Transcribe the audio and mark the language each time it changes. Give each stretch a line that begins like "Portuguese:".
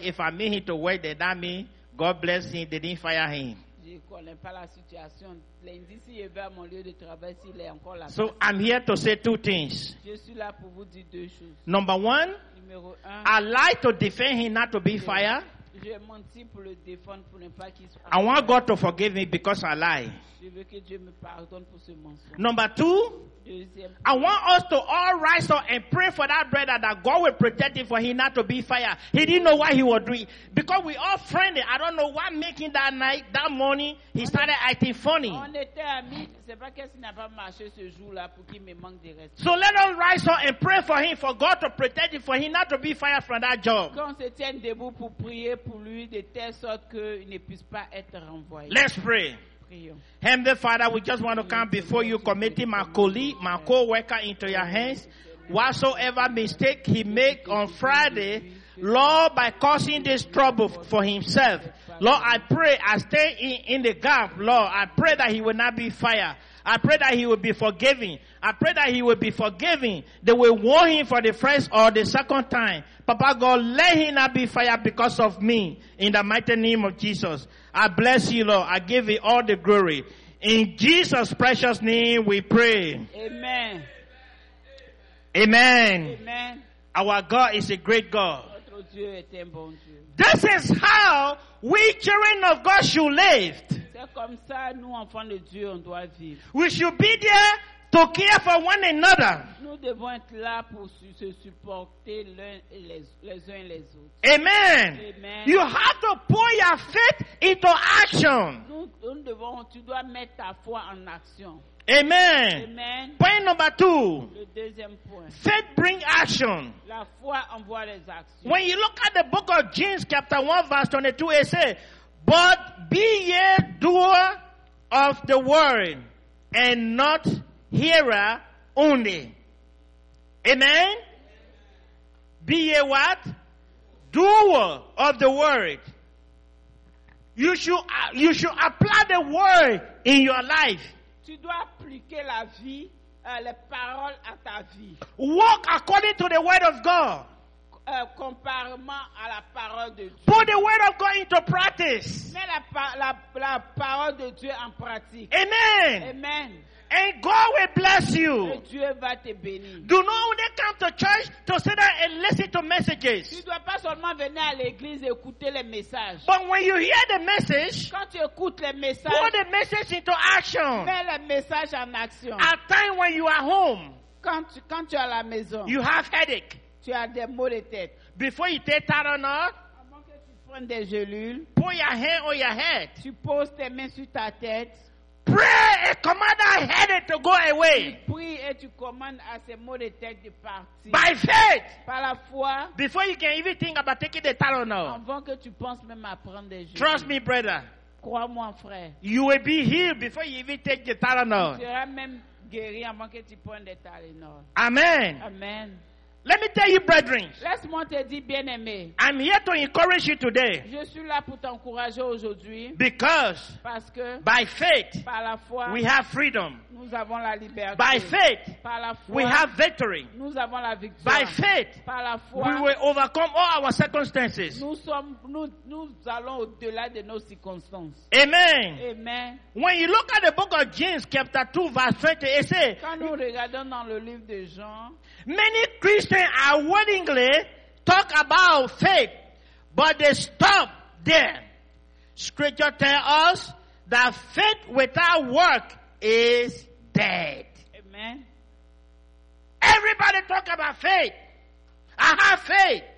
English: If I meet him to work, then that means God bless him. They didn't fire him.
French: Je connais pas la situation. Lundi, s'il est à mon lieu de travail, s'il est encore là.
English: So I'm here to say two things.
French: Je suis là pour vous dire deux choses.
English: Number one,
French: numéro un,
English: I like to defend him not to be fired.
French: Je menti pour le défendre pour ne pas qu'il soit.
English: I want God to forgive me because I lie.
French: Je veux que Dieu me pardonne pour ce mensonge.
English: Number two,
French: deuxième,
English: I want us to all rise up and pray for that brother that God will protect him for him not to be fired. He didn't know what he was doing. Because we all friendly, I don't know what making that night, that morning, he started acting funny.
French: On était amis, c'est pas qu'il n'a pas marché ce jour-là pour qu'il me manque de respect.
English: So let us rise up and pray for him, for God to protect him, for him not to be fired from that job.
French: Qu'on se tienne debout pour prier pour lui de telle sorte qu'il ne puisse pas être renvoyé.
English: Let's pray. Heavenly Father, we just want to come before you, committing my colleague, my co-worker into your hands. Whatsoever mistake he make on Friday, Lord, by causing this trouble for himself, Lord, I pray, I stay in the gap, Lord, I pray that he will not be fired. I pray that he will be forgiven. I pray that he will be forgiven. They will warn him for the first or the second time. Papa God, let him not be fired because of me. In the mighty name of Jesus. I bless you, Lord. I give you all the glory. In Jesus' precious name we pray. Amen. Amen. Amen. Our God is a great God.
French: Dieu est un bon Dieu.
English: This is how we children of God should live.
French: C'est comme ça, nous, enfants de Dieu, on doit vivre.
English: We should be there to care for one another.
French: Nous devons être là pour se supporter l'un et les uns et les autres.
English: Amen. Amen. You have to put your faith into action.
French: Tu dois mettre ta foi en action.
English: Amen. Amen. Point number two.
French: Le deuxième point.
English: Faith bring action.
French: La foi envoie les actions.
English: When you look at the book of James, chapter 1, verse 22, it says, but be ye doer of the word and not hearer only. Amen? Be a what? Doer of the word. You should apply the word in your life.
French: Tu dois appliquer la vie, les paroles à ta vie.
English: Walk according to the word of God.
French: Comparément à la parole de Dieu.
English: Put the word of God into practice.
French: Mets la parole de Dieu en pratique.
English: Amen. Amen. And God will bless you.
French: Et Dieu va te bénir.
English: Do not only come to church to sit down and listen to messages.
French: Tu dois pas seulement venir à l'église et écouter les messages.
English: But when you hear the message,
French: quand tu écoutes les messages,
English: put the message into action.
French: Mets le message en action.
English: At time when you are home,
French: quand tu es à la maison,
English: you have headache.
French: Tu as des maux de tête.
English: Before you take Tylenol,
French: avant que tu prennes des gélules,
English: put your hand on your head.
French: Tu poses tes mains sur ta tête.
English: Pray and command that headache to go away.
French: Tu pries et tu commandes à ces maux de tête de partir.
English: By faith.
French: Par la foi.
English: Before you can even think about taking the Tylenol.
French: Avant que tu penses même à prendre des gélules.
English: Trust me, brother.
French: Crois-moi, frère.
English: You will be healed before you even take the Tylenol.
French: Tu seras même guéri avant que tu prennes des Tylenol.
English: Amen. Amen. Let me tell you, brethren.
French: Laisse-moi te dire, bien-aimé.
English: I'm here to encourage you today.
French: Je suis là pour t'encourager aujourd'hui.
English: Because
French: parce que
English: by faith,
French: par la foi,
English: we have freedom.
French: Nous avons la liberté.
English: By faith,
French: par la foi,
English: we have victory.
French: Nous avons la victoire.
English: By faith,
French: par la foi,
English: we will overcome all our circumstances.
French: Nous allons au-delà de nos circonstances.
English: Amen. Amen. When you look at the book of James, chapter 2, verse 20, it says,
French: quand nous regardons dans le livre de Jean,
English: many Christians are willingly talk about faith, but they stop there. Scripture tells us that faith without work is dead. Amen. Everybody talk about faith. I have faith.